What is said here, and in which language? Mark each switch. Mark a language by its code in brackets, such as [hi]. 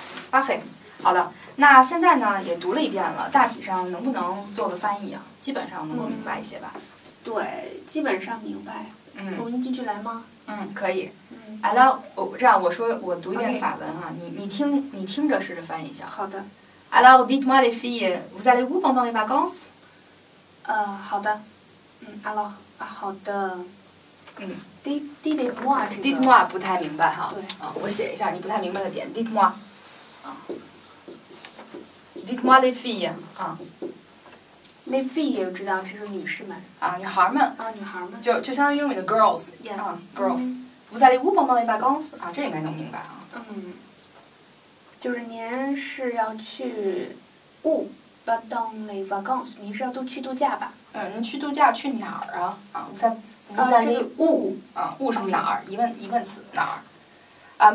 [fr] Parfait。 [zh] 好的，那现在呢也读了一遍了，大体上能不能做个翻译啊？基本上能够明白一些吧。对，基本上明白。我们一句句来吗？可以。 Alors， 这样我读一遍法文啊， [en] okay. [zh] 你听着试着翻译一下。好的。 [fr] Alors dites-moi les filles, vous allez où pendant les vacances？ [zh] 好的。Alors， 好的。 [fr] Dites-moi [zh] 这个。 [fr] Dites-moi [zh] 不太明白哈。对。我写一下你不太明白的点。 [fr] Dites-moi。 Dites-moi les filles. Les filles, [zh] 知道这是女士们。女孩们。女孩们。就相当于英语的 [en] girls. Yeah. Girls. [fr] Vous allez où pendant les vacances? [zh] 这应该能明白啊。就是您是要去 [fr] où pendant les vacances? [zh] 您是要去度假吧？您去度假去哪儿啊？在这个 [fr] où。 [zh] où是哪儿？疑问词哪儿？